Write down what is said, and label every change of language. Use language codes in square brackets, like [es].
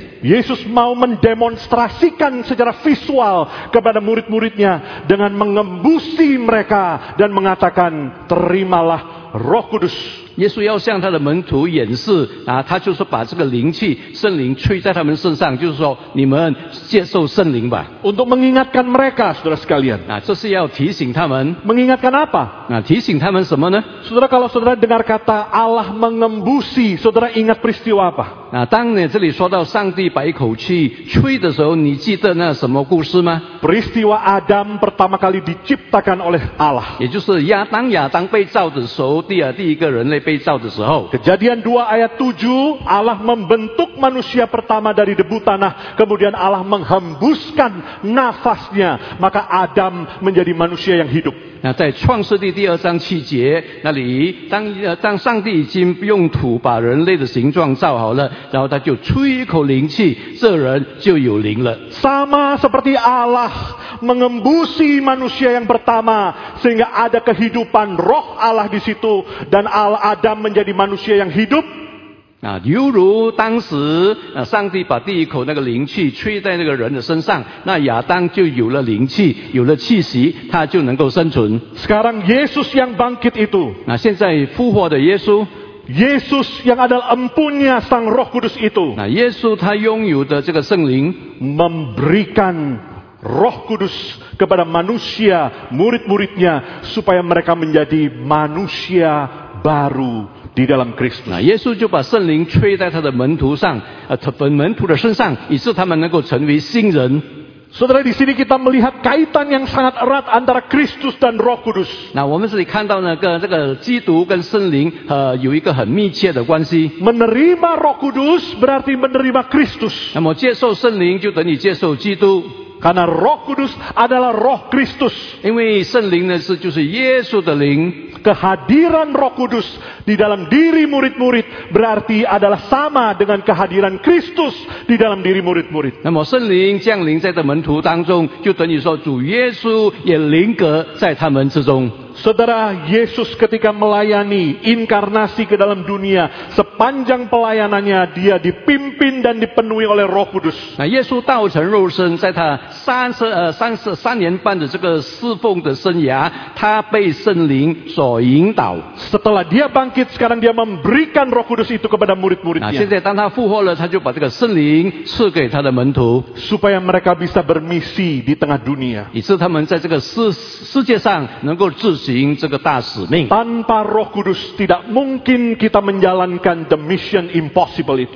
[id] Yesus mau mendemonstrasikan secara visual kepada murid-muridnya dengan mengembusi mereka dan mengatakan terimalah Roh Kudus. [zh] 耶稣要向他的门徒演示，啊，他就是把这个灵气圣灵吹在他们身上，就是说你们接受圣灵吧。 [id] Untuk mengingatkan mereka, saudara sekalian. [zh] 啊，这是要提醒他们。 [id] Mengingatkan apa? [zh] 啊，提醒他们什么呢？ [id] Saudara, kalau saudara dengar kata Allah mengembusi, saudara ingat peristiwa apa? [zh] 啊，当你这里说到上帝把一口气吹的时候，你记得那什么故事吗？ [id] Peristiwa Adam pertama kali diciptakan oleh Allah. [zh] 也就是亚当，亚当被造的时候，第一个人类被造的时候。 [id] Kejadian 2 ayat 7, Allah membentuk manusia pertama dari debu tanah, kemudian Allah menghembuskan nafasnya, maka Adam menjadi manusia yang hidup. [zh] 那在创世纪第二章七节那里，当上帝已经用土把人类的形状造好了，然后他就吹一口灵气，这人就有灵了。 [id] Sama seperti Allah mengembusi manusia yang pertama, sehingga ada kehidupan roh Allah di situ, dan Adam menjadi manusia yang hidup. [zh] 啊，犹如当时上帝把第一口那个灵气吹在那个人的身上，那亚当就有了灵气，有了气息，他就能够生存。 [id] Sekarang Yesus yang bangkit itu. [zh] 那现在复活的耶稣。 [id] Yesus yang adalah empunya sang Roh Kudus itu. [zh] 那耶稣他拥有的这个圣灵。 [id] Memberikan Roh Kudus kepada manusia murid-muridnya supaya mereka menjadi manusia baru di dalam Kristus. [zh] 那耶稣就把圣灵吹在他的门徒上，门徒的身上，以致他们能够成为新人。 [id] Saudara, di sini kita melihat kaitan yang sangat erat antara Kristus dan Roh Kudus. [zh] 那我们这里看到那个这个基督跟圣灵有一个很密切的关系。 [id] Menerima Roh Kudus berarti menerima Kristus. [zh] 那么接受圣灵就等于接受基督。 [id] Karena Roh Kudus adalah Roh Kristus. [zh] 因为圣灵呢是就是耶稣的灵。 [id] Kehadiran Roh Kudus di dalam diri murid-murid berarti adalah sama dengan kehadiran Kristus di dalam diri murid-murid. [zh] 那么圣灵降临在的门徒当中，就等于说主耶稣也临格在他们之中。 [id] Saudara, Yesus ketika melayani inkarnasi ke dalam dunia, sepanjang pelayanannya dia dipimpin dan dipenuhi oleh Roh Kudus. [zh] Nah, Yesus 道成肉身，在他三年半的这个侍奉的生涯，他被圣灵所引导。 [id] Setelah dia bangkit, sekarang dia memberikan Roh Kudus itu kepada murid-muridnya. [zh] Nah, 现在当他复活了，他就把这个圣灵赐给他的门徒， [id] supaya mereka bisa bermisi di tengah dunia. [zh] 以致他们在这个世界上能够自行这个大使命。 [id] Tanpa Roh Kudus tidak mungkin kita menjalankan [en] the mission impossible [id] itu.